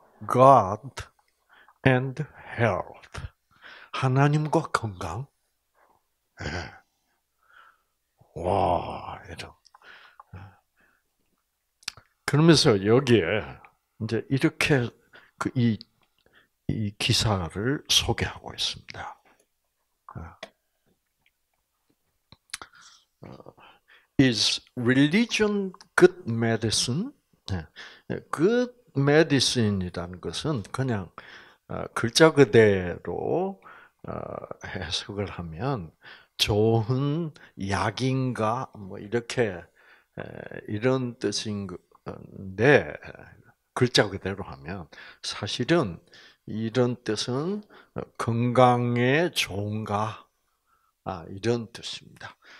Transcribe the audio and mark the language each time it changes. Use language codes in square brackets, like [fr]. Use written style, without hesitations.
[en] God and Health. [ko] 하나님과 건강. 네. 와, 이런. 그러면서 여기에 이제 이렇게 그 이 기사를 소개하고 있습니다. [en] 어, is religion good medicine? [ko] 네. Good medicine이라는 것은 그냥 글자 그대로 해석을 하면 좋은 약인가 뭐 이렇게 이런 뜻인 것. 네, 글자 그대로 하면 사실은 이런 뜻은 건강에 좋은가 이런 뜻입니다.